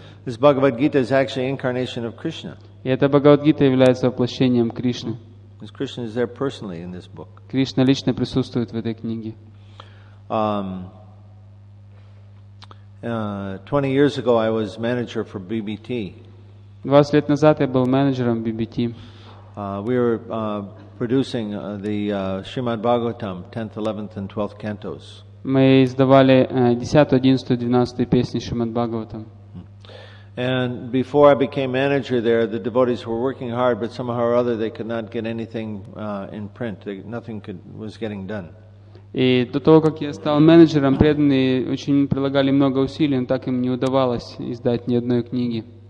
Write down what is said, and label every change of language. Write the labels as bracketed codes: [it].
[en] This Bhagavad Gita is actually incarnation of Krishna. [ru] И эта Бхагавад Гита является воплощением Кришны. [en] Because Krishna is there personally in this book. [ru] Кришна лично присутствует в этой книге. [en] 20 years ago I was manager for BBT. [ru] 20 лет назад я был менеджером BBT. [en] We were producing the Srimad Bhagavatam, 10th, 11th, and 12th cantos. [ru] Мы издавали 10, 11, 12 песни Шримад Бхагаватам. [en] And before I became manager there, the devotees were working hard, but somehow or other they could not get anything in print. Nothing was getting done. [ru] И до того, как я стал менеджером, преданные очень прилагали много усилий, но так им не удавалось издать ни одной книги.